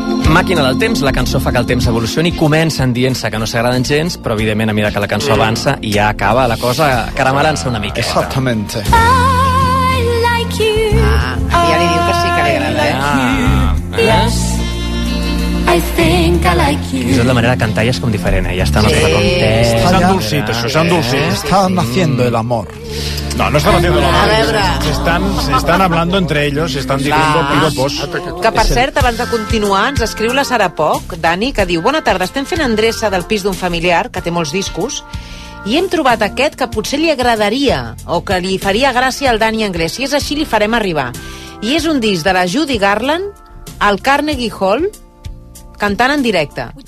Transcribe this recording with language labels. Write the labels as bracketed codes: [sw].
[ca] Màquina del temps, la cançó fa que el temps evolucioni, comencen dient-se que no s'agraden gens, però evidentment a mesura que la cançó avança i ja acaba la cosa caramelant-se una miqueta. Exactament. Ah, ja li diu que sí que li agrada. [en] Like yes, I think I like you. [ca] I tot la manera de cantar ja és com diferent, eh? Ja està nostra contesta. S'ha endolcit, això, s'ha endolcit. [es] Estan haciendo el amor. No, no están haciendo lo malo. Se están hablando entre ellos, se están diciendo piropos. [ca] Que, per cert, abans de continuar, ens escriu la Sara Poc, Dani, que diu, bona tarda, estem fent endreça del pis d'un familiar que té molts discos i hem trobat aquest que potser li agradaria o que li faria gràcia al Dani Anglès. Si és així, li farem arribar. I és un disc de la Judy Garland al Carnegie Hall cantant en directe.